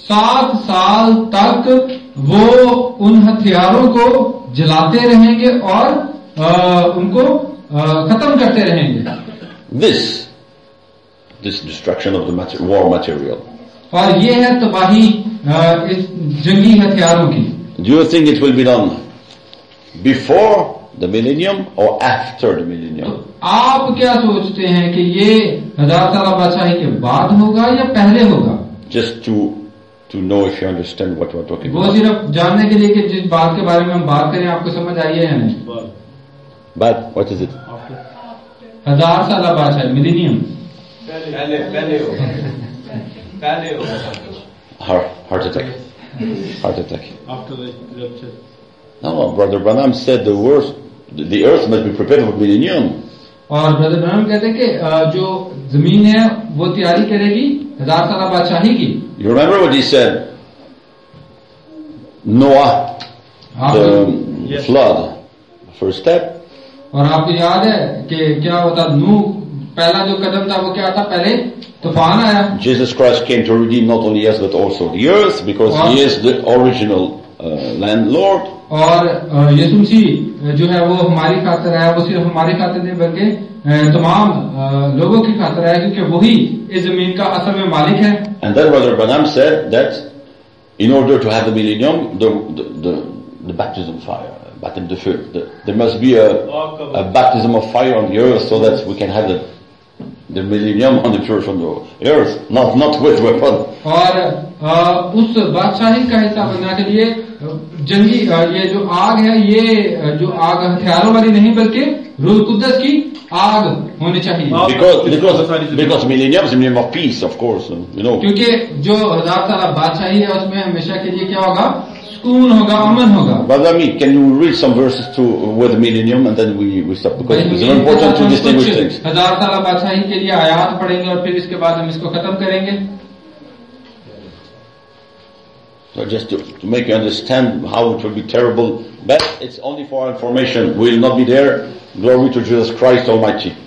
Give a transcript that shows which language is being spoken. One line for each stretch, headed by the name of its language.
Hindi: 7 साल तक वो उन हथियारों को जलाते रहेंगे और उनको खत्म करते रहेंगे.
English: This destruction of the war material.
Hindi: और ये है तबाही इस जंगी हथियारों की.
English: Do you think it will be done before the millennium or after the millennium?
Hindi: आप क्या सोचते हैं कि ये हजार साल बादशाही के बाद होगा या पहले होगा?
English: Just to know if you understand what we're talking about.
Hindi: वो सिर्फ जानने के लिए कि जिस बात के बारे में हम बात करें आपको समझ आई है या नहीं.
English: But what is it?
Hindi: हजार साल बादशाही मिलेनियम. पहले होगा.
English: Heart attack. After the rupture. No, Brother Branham said the worst. The earth must be prepared for millennium.
Hindi: और ब्रदर ब्रैनम कहते हैं कि जो जमीन है वो तैयारी करेगी हजार साल बादशाही की.
English: You remember what he said? Noah, the flood, first step.
Hindi: और आपको याद है कि क्या होता नूह पहला जो कदम था वो क्या था पहले तूफान आया
English: Jesus Christ came to redeem not only us but also the earth because he is the original landlord
Hindi: और यीशु मसीह जो है वो हमारी खातिर आया वो सिर्फ हमारी खातिर नहीं बल्कि तमाम लोगों की खातिर आया क्योंकि वही इस जमीन का असल में मालिक है
English: And then Brother Branham said that in order to have the millennium the baptism fire baptism of fire there must be a baptism of fire on the earth so that we can have the millennium on the church on the earth not with weapon
Hindi: और उस बादशाही का हिसाब बनाने के लिए जंगी ये जो आग हथियारों वाली नहीं बल्कि रूह कुद्दस की आग होनी चाहिए
English: because millennium is a millennium of peace of course you know
Hindi: क्योंकि जो हजार साल बादशाही है उसमें हमेशा के लिए क्या होगा सुकून होगा अमन होगा
English: Brother Amit, can you read some verses to with millennium and then we stop because it's very important to distinguish things
Hindi: हजार साल बादशाही के लिए आयात पढ़ेंगे और फिर इसके बाद हम इसको खत्म करेंगे
English: So just to make you understand how it will be terrible, but it's only for our information. We will not be there. Glory to Jesus Christ Almighty.